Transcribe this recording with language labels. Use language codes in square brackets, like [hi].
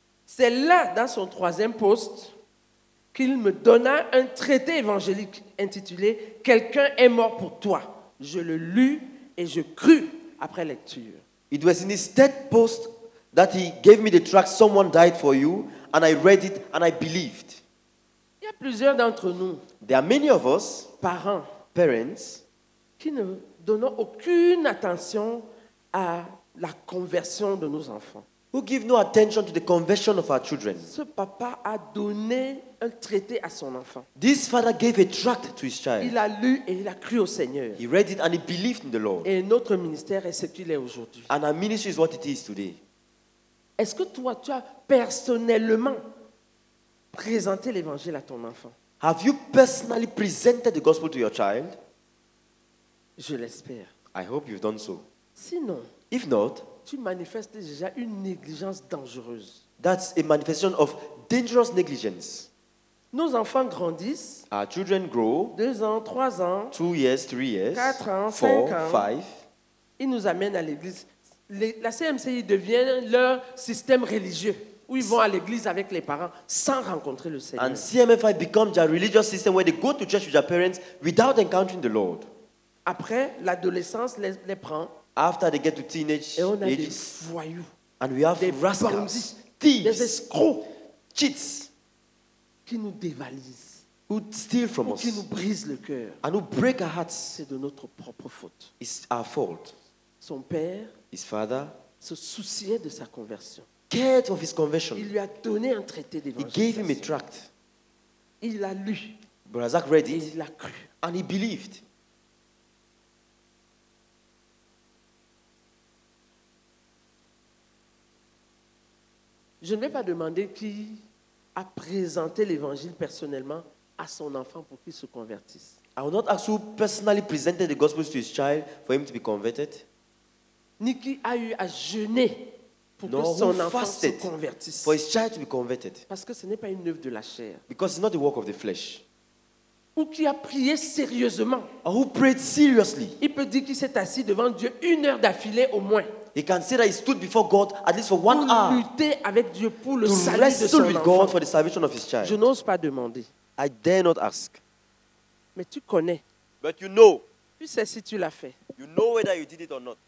[fr] C'est là dans son troisième poste qu'il me donna un traité évangélique intitulé « Quelqu'un est mort pour toi ». Je le lus et je crus après lecture. [en] It was in his third post that he gave me the tract « Someone died for you » and I read it and I believed. [fr] Il y a plusieurs d'entre nous, [en] there are many of us, [fr] parents, [en] parents, [fr] qui ne donnons aucune attention à la conversion de nos enfants. [en] Who give no attention to the conversion of our children. [fr] Ce papa a donné un traité à son enfant. [en] This father gave a tract to his child. [fr] Il a lu et il a cru au Seigneur. [en] He read it and he believed in the Lord. [fr] Et notre ministère est ce qu'il est aujourd'hui. [en] And our ministry is what it is today. [fr] Est-ce que toi, tu as personnellement présenté l'évangile à ton enfant? [en] Have you personally presented the gospel to your child? [fr] Je l'espère. [en] I hope you've done so. [fr] Sinon, [en] if not, [fr] tu manifestes déjà une négligence dangereuse. [en] That's a manifestation of dangerous negligence. [fr] Nos enfants grandissent. [en] Our children grow. [fr] 2 ans, 3 ans. [en] 2 years, 3 years. [fr] 4 ans, 5 ans. 5. Ils nous amènent à l'église. La CMCI devient leur système religieux où ils vont à l'église avec les parents sans rencontrer le Seigneur. [en] And CMFI becomes their religious system where they go to church with their parents without encountering the Lord. [fr] Après, l'adolescence les prend. [en] After they get to teenage [fr] et on a [en] ages, [fr] des voyous, [en] and we have [fr] des [en] rascals, bandits, thieves, [fr] des escrocs, [en] cheats, [fr] qui nous dévalisent, [en] who steal from [fr] ou [en] us, [fr] qui nous brisent le cœur, [en] and who break our hearts, [fr] c'est de notre propre faute. [en] It's our fault. [fr] Son père, [en] his father, [fr] se souciait de sa conversion. [en] Cared of his conversion. [fr] Il lui a donné un traité d'évangile. [en] He gave him a tract. [fr] Il l'a lu. [en] Brother Zach read it. [fr] Et il l'a cru. [en] And he believed. [fr] Je ne vais pas demander qui a présenté l'évangile personnellement à son enfant pour qu'il se convertisse. [en] I will not ask who personally presented the gospel to his child for him to be converted. [fr] Ni qui a eu à jeûner pour [en] Nor [fr] que son enfant se convertisse. [en] For his child to be converted. [fr] Parce que ce n'est pas une œuvre de la chair. [en] Because it's not the work of the flesh. [fr] Ou qui a prié sérieusement. [en] Or who prayed seriously. [fr] Il peut dire qu'il s'est assis devant Dieu 1 heure d'affilée au moins. [en] He can say that he stood before God at least for 1 hour. [fr] Pour lutter avec Dieu pour le salut de son enfant. [en] To wrestle with God for the salvation of his child. [fr] Je n'ose pas demander. [en] I dare not ask. [fr] Mais tu connais. [en] But you know. [fr] Tu sais si tu l'as fait. [en] You know whether you did it or not.